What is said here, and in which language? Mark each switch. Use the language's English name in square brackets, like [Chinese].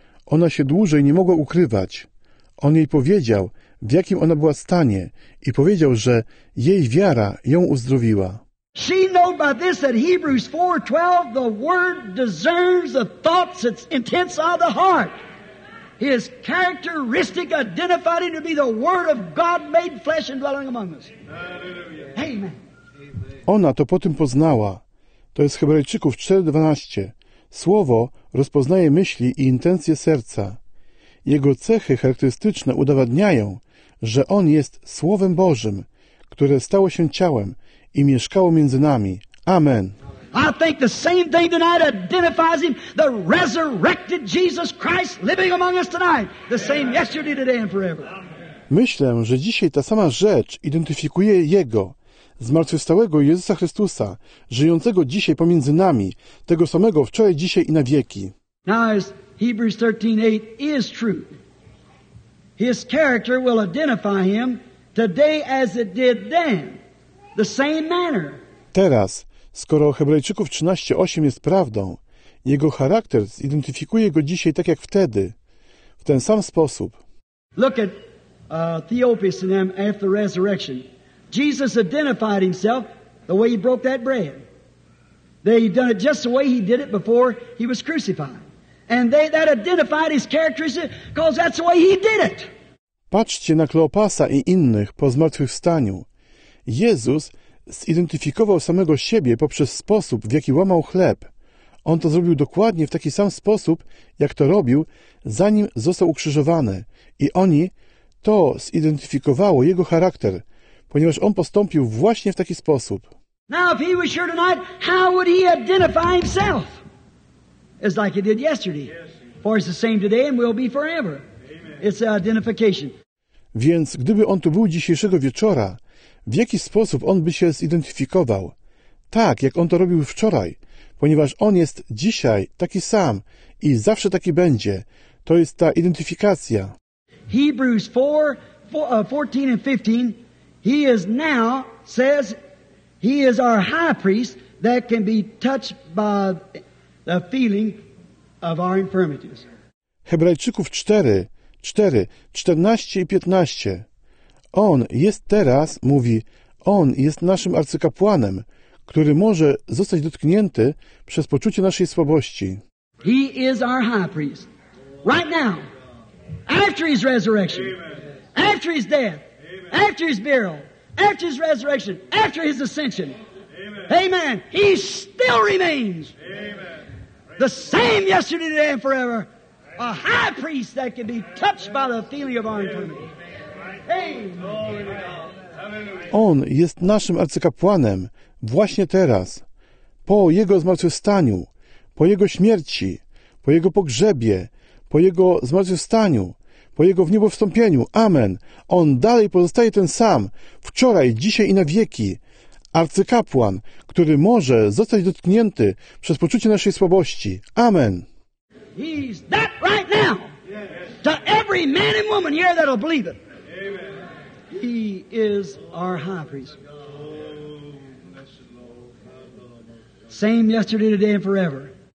[Polish] Ona się dłużej nie mogła ukrywać. On jej powiedział, w jakim ona była stanie i powiedział, że jej wiara ją uzdrowiła. [English] She knew by this that Hebrews 4:12 the word discerns the thoughts its intents of the heart. His characteristic identified him to be the word of God made flesh and dwelling among us. Amen. [Polish] Ona to po tym poznała. To jest Hebrajczyków 4:12. Słowo rozpoznaje myśli i intencje serca. Jego cechy charakterystyczne udowadniają, że on jest Słowem Bożym, które stało się ciałem i mieszkało między nami. Amen. [English] I think the same thing tonight identifies him, the resurrected Jesus Christ living among us tonight. The same yesterday, today and forever. [Polish] Myślę, że dzisiaj ta sama rzecz identyfikuje jego, zmartwychwstałego Jezusa Chrystusa, żyjącego dzisiaj pomiędzy nami, tego samego wczoraj, dzisiaj i na wieki. [English] Now, as Hebrews 13:8 is true. His character will identify him today as it did then, the same manner. [Polish] Teraz, skoro Hebrajczyków 13:8 jest prawdą, jego charakter zidentyfikuje go dzisiaj tak jak wtedy, w ten sam sposób. [English] Look at Theopas and them after the resurrection. Jesus identified himself the way he broke that bread. They done it just the way he did it before he was crucified. And that identified his characteristics because that's the way he did it. [Polish] Patrzcie na Kleopasa i innych po zmartwychwstaniu. Jezus zidentyfikował samego siebie poprzez sposób, w jaki łamał chleb. On to zrobił dokładnie w taki sam sposób, jak to robił, zanim został ukrzyżowany. I oni to zidentyfikowało jego charakter, ponieważ on postąpił właśnie w taki sposób. [English] Now, if he was here tonight, how would he identify himself? It's like he did yesterday. For it's the same today and will be forever. It's identification. [Polish] Więc gdyby on tu był dzisiejszego wieczora, w jaki sposób on by się zidentyfikował? Tak, jak on to robił wczoraj, ponieważ on jest dzisiaj taki sam i zawsze taki będzie. To jest ta identyfikacja. [English] Hebrews 4:14-15, he is now, says, he is our high priest that can be touched by the feeling of our infirmities. [Polish] Hebrajczyków 4:14-15. On jest teraz, mówi, on jest naszym arcykapłanem, który może zostać dotknięty przez poczucie naszej słabości. [English] He is our high priest. Right now, after his resurrection, after his death, after his burial, after his resurrection, after his ascension. Amen. He still remains the same yesterday, today, and forever. A high priest that can be touched by the feeling of our infirmity. [Polish] On jest naszym arcykapłanem właśnie teraz, po Jego zmartwychwstaniu, po Jego śmierci, po Jego pogrzebie, po Jego zmartwychwstaniu, po Jego wniebowstąpieniu. Amen. On dalej pozostaje ten sam, wczoraj, dzisiaj i na wieki. Arcykapłan, który może zostać dotknięty przez poczucie naszej słabości. Amen. [English] He's that right now to every man and woman here that'll believe it. He is our high priest. Same yesterday, today and forever.